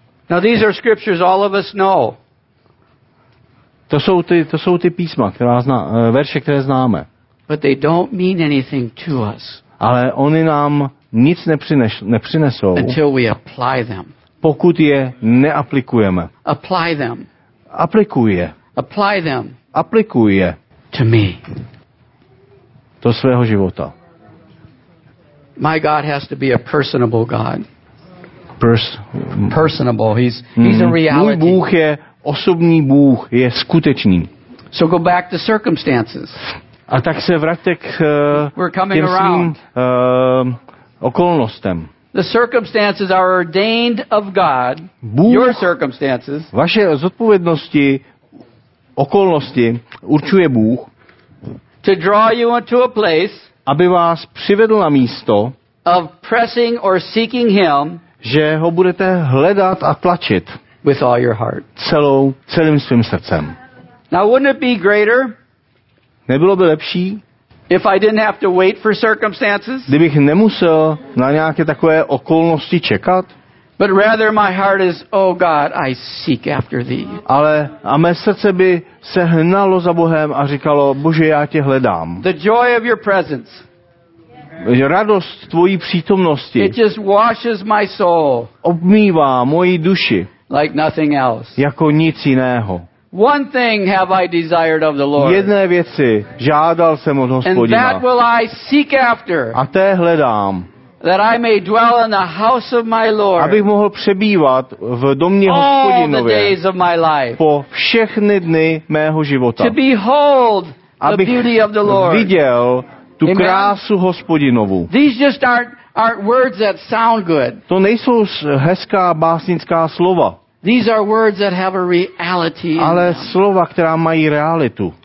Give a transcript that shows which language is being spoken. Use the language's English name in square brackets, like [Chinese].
[English] Now these are scriptures all of us know. [Czech] To jsou ty písma, verše, které známe. [English] But they don't mean anything to us. [Czech] Ale oni nám nic nepřinesou, [English] until we apply them. [Czech] Pokud je neaplikujeme. [English] Apply them. [Czech] Aplikuje. [English] Apply them. [Czech] Aplikuje. [English] To me. [Czech] Do svého života. [English] My God has to be a personable God. Personable. He's a reality. [Czech] Můj Bůh je osobní Bůh, je skutečný. [English] So go back to circumstances. [Czech] A tak se vraťte k těm svým okolnostem. [English] The circumstances are ordained of God. [Czech] Bůh, [English] your circumstances. [Czech] Vaše zodpovědnosti, okolnosti určuje Bůh. [English] To draw you into a place. [Czech] Aby vás přivedl na místo. [English] Of pressing or seeking him. [Czech] Že ho budete hledat a tlačit. [English] With all your heart. [Czech] Celým svým srdcem. [English] Now wouldn't it be greater? [Czech] Nebylo by lepší? [English] If I didn't have to wait for circumstances? [Czech] Kdybych nemusel na nějaké takové okolnosti čekat? [English] But rather my heart is, oh God, I seek after thee. [Czech] Ale a mé srdce by se hnalo za Bohem a říkalo, Bože, já tě hledám. [English] The joy of your presence. [Czech] Radost tvojí přítomnosti. [English] It just washes my soul. [Czech] Obmývá moji duši. [English] Like nothing else. [Czech] Jako nic jiného. [English] One thing have I desired of the Lord. [Czech] Jedné věci žádal jsem od Hospodina. [English] And that will I seek after. [Czech] A té hledám. [English] That I may dwell in the house of my Lord. [Czech] Abych mohl přebývat v domě Hospodinově. [English] All the days of my life. [Czech] Po všechny dny mého života. [English] To behold the beauty of the Lord. [Czech] Abych viděl tu krásu Hospodinovu. [English] These just aren't words that sound good. [Czech] To nejsou hezká básnická slova. [English] These are words that have a reality. [Czech] Ale slova, která mají realitu.